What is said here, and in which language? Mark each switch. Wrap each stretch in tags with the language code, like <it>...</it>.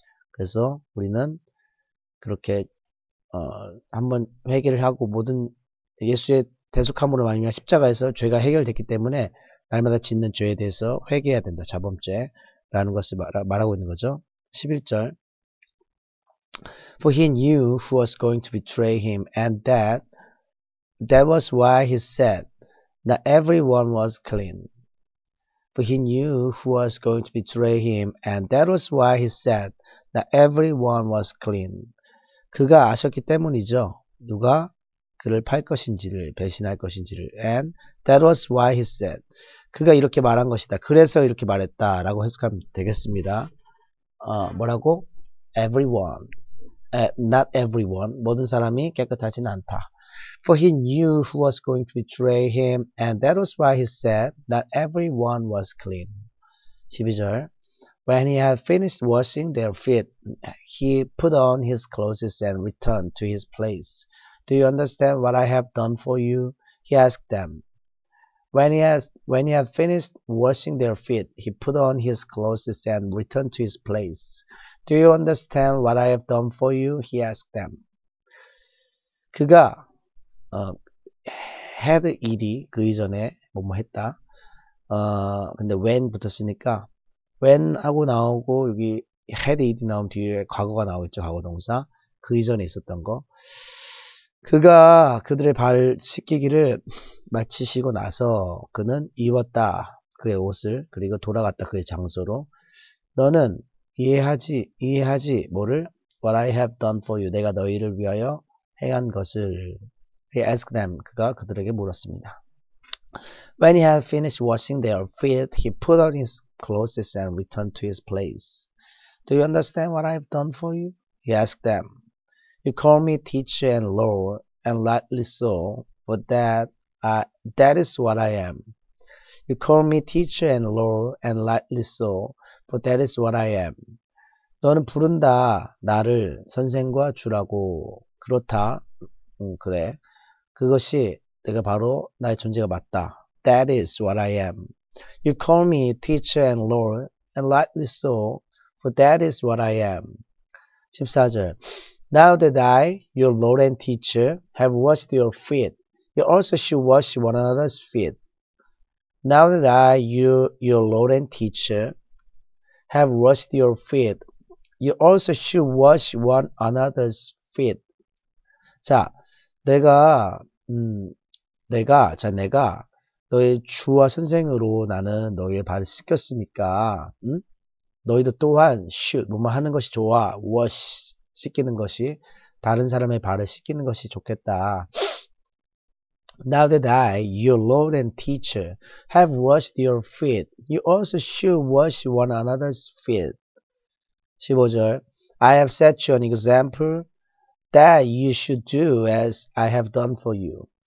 <ko>그래서 우리는 그렇게 한번 회개를 하고 모든 예수의 대속함으로 말미암아 십자가에서 죄가 해결됐기 때문에 날마다 짓는 죄에 대해서 회개해야 된다. 자범죄라는 것을 말하고 있는 거죠. 11절.</ko> <en>For he knew who was going to betray him, and that was why he said, not everyone was clean. For he knew who was going to betray him, and that was why he said, not everyone was clean.</en> <ko>그가 아셨기 때문이죠. 누가 그를 팔 것인지를, 배신할 것인지를.</ko> <en>And that was why he said.</en> <ko>그가 이렇게 말한 것이다. 그래서 이렇게 말했다. 라고 해석하면 되겠습니다. 뭐라고?</ko> <en>Everyone. Not everyone.</en> <ko>모든 사람이 깨끗하진 않다.</ko> <en>For he knew who was going to betray him, and that was why he said, not everyone was clean.</en> <ko>12절.</ko> <en>When he had finished washing their feet, he put on his clothes and returned to his place. Do you understand what I have done for you? He asked them. When he had finished washing their feet, he put on his clothes and returned to his place. Do you understand what I have done for you? He asked them.</en> <ko>그가 had 일이 그 이전에 뭐뭐 했다. 근데 when 붙었으니까 when 하고 나오고 여기 had 일이 나오면 뒤에 과거가 나오겠죠. 과거 동사. 그 이전에 있었던 거. 그가 그들의 발 씻기기를 마치시고 나서 그는 입었다. 그의 옷을 그리고 돌아갔다. 그의 장소로. 너는 이해하지 뭐를?</ko> <en>What I have done for you.</en> <ko>내가 너희를 위하여 행한 것을.</ko> <en>He asked them.</en> <ko>그가 그들에게 물었습니다.</ko> <en>When he had finished washing their feet, he put on his clothes and returned to his place. Do you understand what I have done for you? He asked them. You call me teacher and Lord, and rightly so, for that is what I am. You call me teacher and Lord, and rightly so, for that is what I am.</en> <ko>너는 부른다, 나를 선생과 주라고. 그렇다. 그래. 그것이 내가 바로 나의 존재가 맞다.</ko> <en>That is what I am. You call me teacher and Lord, and rightly so, for that is what I am.</en> <ko>14절.</ko> <en>Now that I, your Lord and teacher, have washed your feet, you also should wash one another's feet. Now that I, your Lord and teacher, have washed your feet, you also should wash one another's feet.</en> <ko>자, 내가 너의 주와 선생으로 나는 너의 발을 씻겼으니까, 너희도 또한 should 뭐뭐 하는 것이 좋아, wash. 씻기는 것이 다른 사람의 발을 씻기는 것이 좋겠다.</ko> <en>Now that I, your Lord and teacher, have washed your feet, you also should wash one another's feet.</en> <ko>15절.</ko> <en>I have set you an example that you should do as I have done for you.</en>